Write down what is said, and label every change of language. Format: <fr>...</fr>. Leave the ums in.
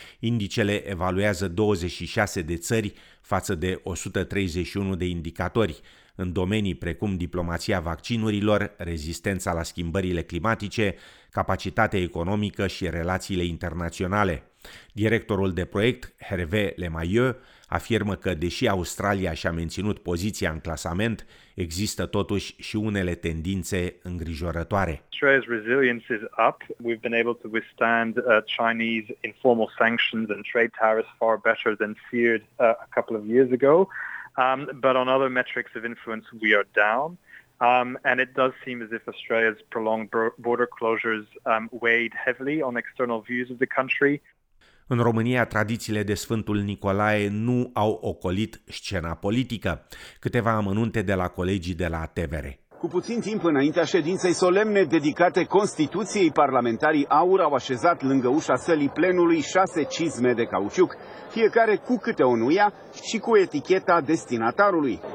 <ro>Indicele evaluează 26 de țări față de 131 de indicatori în domenii precum diplomația vaccinurilor, rezistența la schimbările climatice, capacitatea economică și relațiile internaționale. Directorul de proiect, Hervé Lemayeu, afirmă că, deși Australia și-a menținut poziția în clasament, există totuși și unele tendințe îngrijorătoare.</ro> <en>Australia's resilience is up. We've been able to withstand uh, Chinese informal sanctions and trade tariffs far better than feared uh, a couple of years ago. Um, but on other metrics of influence, we are down. Um, and it does seem as if Australia's prolonged bro- border closures um, weighed heavily on external views of the country.</en> <ro>În România, tradițiile de Sfântul Nicolae nu au ocolit scena politică. Câteva amănunte de la colegii de la Tevere. Cu puțin timp înaintea ședinței solemne dedicate Constituției, parlamentarii aur au așezat lângă ușa sălii plenului șase cizme de cauciuc, fiecare cu câte o nuia și cu eticheta destinatarului.</ro>